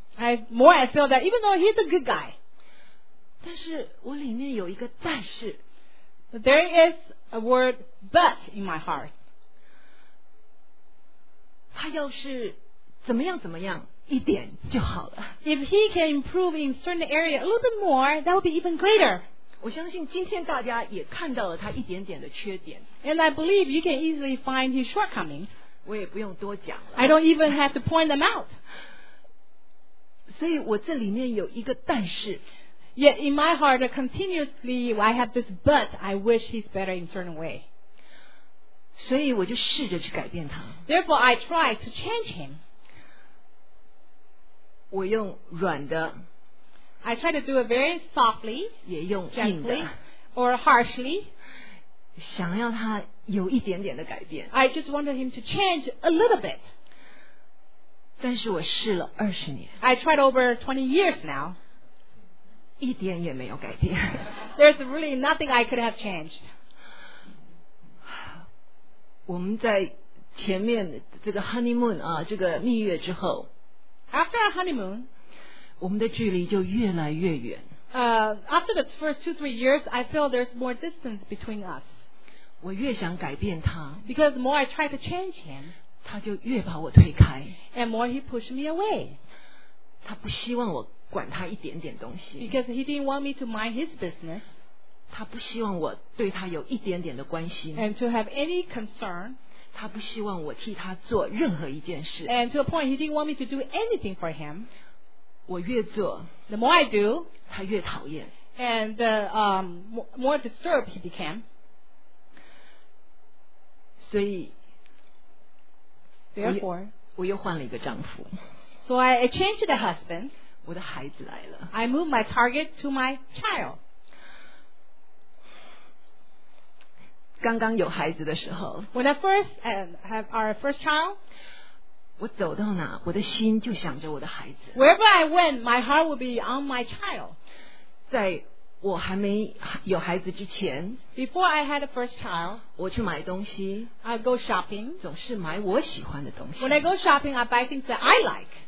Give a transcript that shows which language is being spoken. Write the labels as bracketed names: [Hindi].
[English] I feel that even though he's a good guy [Chinese] 但是我里面有一个但是 [English] There is a word but in my heart [Chinese] 他要是怎么样怎么样一点就好了 [English] If he can improve in certain area a little bit more that would be even greater [Chinese] 我相信今天大家也看到了他一点点的缺点 [English] And I believe you can easily find his shortcomings [Chinese] 我也不用多讲 [English] 了 I don't even have to point them out [Chinese] 所以我这里面有一个但是 [English] Yet in my heart continuously I have this but I wish he's better in certain way [Chinese] 所以我就试着去改变他 [English] Therefore I try to change him [Chinese] 我用软的 [English] I try to do it very softly [Chinese] 也用硬的 [English] Or harshly [Chinese] 想要他有一点点的改变 [English] I just wanted him to change a little bit [Chinese] 但是我试了二十年 [English] I tried over 20 years now [Chinese] 一点也没有改变 [English] There's really nothing I could have changed [Chinese] 我们在前面这个 honeymoon 啊这个蜜月之后 [English] After our honeymoon [Chinese] 我们的距离就越来越远 [English] After the first 2-3 years I feel there's more distance between us [Chinese] 我越想改变他 [English] Because the more I try to change him [Chinese] 他就越把我推开 [English] And more he pushed me away [Chinese] 他不希望我管他一点点东西 [English] Because he didn't want me to mind his business [Chinese] 他不希望我对他有一点点的关心 [English] And to have any concern [Chinese] 他不希望我替他做任何一件事 [English] And to a point he didn't want me to do anything for him [Chinese] 我越做 [English] The more I do [Chinese] 他越讨厌 [English] And the more disturbed he became [Chinese] 所以 [English] Therefore, [Chinese] 我又换了一个丈夫 [English] So I changed the husband [Chinese] 我的孩子来了 [English] I moved my target to my child [Chinese] 刚刚有孩子的时候 [English] When I first have our first child [Chinese] 我走到哪我的心就想着我的孩子 [English] Wherever I went, my heart would be on my child [Chinese] 在我还没有孩子之前 [English] Before I had a first child [Chinese] 我去买东西 [English] I go shopping [Chinese] 总是买我喜欢的东西 [English] When I go shopping I buy things that I like